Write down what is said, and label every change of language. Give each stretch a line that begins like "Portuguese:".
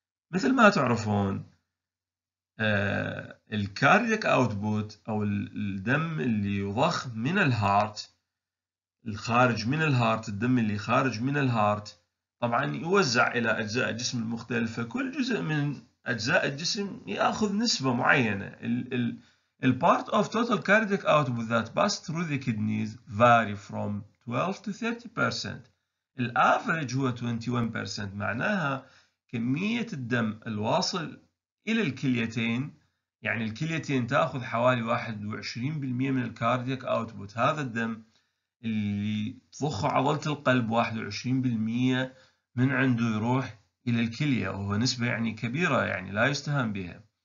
Arabic: مثل ما تعرفون الكاردياك اوتبوت او الدم اللي يضخ من الهارت الخارج من الهارت الدم اللي خارج من الهارت طبعا يوزع الى اجزاء الجسم المختلفة. كل جزء من اجزاء الجسم ياخذ نسبة معينة.
English: ال part of total cardiac output that pass through the kidneys vary from 12 to 30%.
Arabic: ال average هو 21%. معناها كمية الدم الواصل الى الكليتين يعني الكليتين تاخذ حوالي 21% من الكارديك اوتبوت. هذا الدم اللي تضخه عضلة القلب 21% من عنده يروح الى الكلية وهو نسبة يعني كبيرة يعني لا يستهان بها.